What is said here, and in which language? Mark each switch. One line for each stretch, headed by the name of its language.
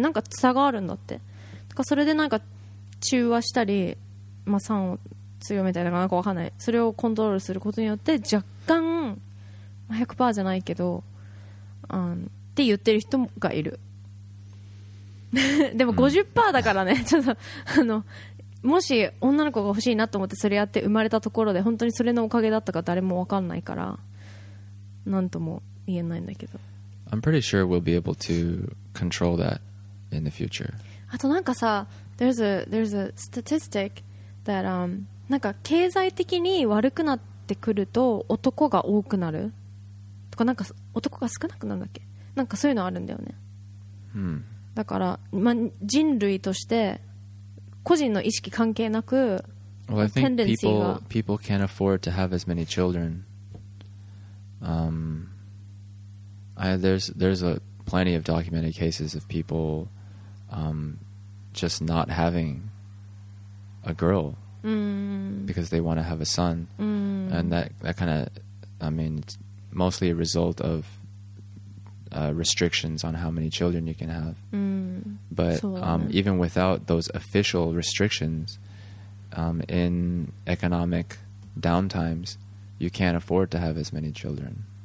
Japanese: なんか差があるんだってとかそれでなんか中和したり、まあ、酸を強めたりとかなんか分かんないそれをコントロールすることによって若干 100% じゃないけどって言ってる人がいる。でも 50% だからね。ちょっともし女の子が欲しいなと思ってそれやって生まれたところで本当にそれのおかげだったか誰も分かんないから、なんとも言えないんだけど。
English: I'm pretty sure we'll be able to control that in the future.
Japanese: あとなんかさ、
English: there's a statistic that
Japanese: なんか経済的に悪くなってくると男が多くなるとかなんか男が少なくなるんだっけ？なんかそういうのあるんだよね、だから、まあ、人類として個人の意識関係なく
English: well, I think people can't afford to have as many children there's a plenty of documented cases of people just not having a girl because they want to have a son and that kind of I mean it's mostly a result ofrestrictions on how many children you can have but even without those official restrictions in economic downtimes you can't afford to have as many children